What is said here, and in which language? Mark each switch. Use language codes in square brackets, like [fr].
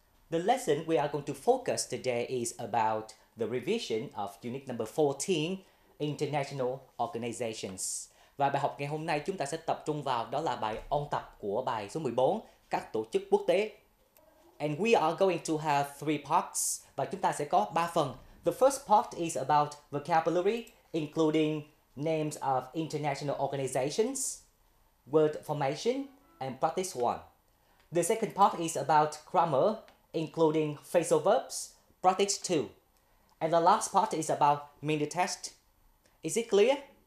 [en] The lesson we are going to focus today is about the revision of unit number 14, International Organizations. [vi] Và bài học ngày hôm nay chúng ta sẽ tập trung vào đó là bài ôn tập của bài số 14, các tổ chức quốc tế. [en] And we are going to have three parts, [vi] và chúng ta sẽ có 3 phần. [en] The first part is about vocabulary, including names of international organizations, word formation, and practice one. The second part is about grammar, including phrasal verbs, practice two. And the last part is about mini test. Is it clear?